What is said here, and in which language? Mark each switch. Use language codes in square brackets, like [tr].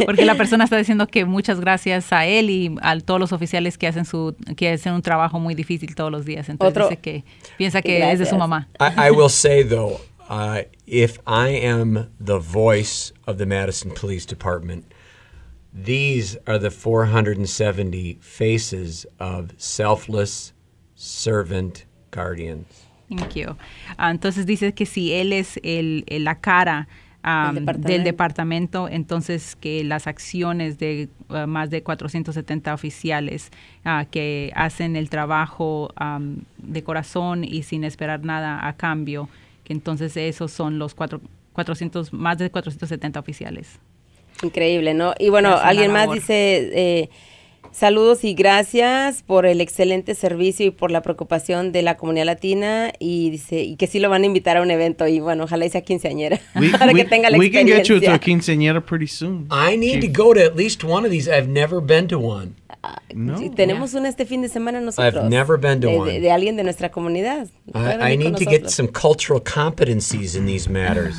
[es] Porque la persona está diciendo que muchas gracias a él y a todos los oficiales que hacen su que hacen un trabajo muy difícil todos los días. Entonces otro, dice que piensa que gracias. Es de su mamá. [en] I will say, though, if I am the voice of the Madison Police Department, these are the 470 faces of selfless servant guardians. Thank you. [es] Entonces dice que si él es el la cara del departamento, entonces que las acciones de más de 470 oficiales que hacen el trabajo de corazón y sin esperar nada a cambio, que entonces esos son los 400 más de 470 oficiales. Increíble, ¿no? Y bueno, alguien más dice saludos y gracias por el excelente servicio y por la preocupación de la comunidad latina. Y dice y que sí lo van a invitar a un evento. Y bueno, ojalá sea quinceañera. Para que tenga la experiencia. [en] We can get you to a quinceañera pretty soon. I need to go to at least one of these. I've never been to one. [es] No. Tenemos una este fin de semana nosotros. [en] I've never been to one. [es] De alguien de nuestra comunidad. [en] I need to get some cultural competencies in these matters.